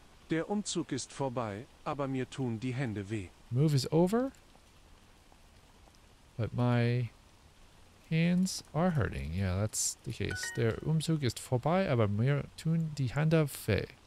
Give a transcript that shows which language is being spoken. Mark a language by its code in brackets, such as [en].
[de] Der Umzug ist vorbei, aber mir tun die Hände weh. [en] Move is over, but my hands are hurting. Yeah, that's the case. [de] Der Umzug ist vorbei, aber mir tun die Hände weh.